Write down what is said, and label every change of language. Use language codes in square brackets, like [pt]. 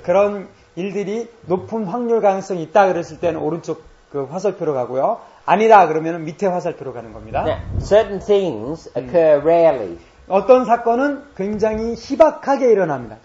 [ko] 그런 일들이 높은 확률 가능성이 있다 그랬을 때는 오른쪽 그 화살표로 가고요. 아니다 그러면 밑에 화살표로 가는 겁니다. [en] Now, certain things occur rarely. [ko] 어떤 사건은 굉장히 희박하게 일어납니다.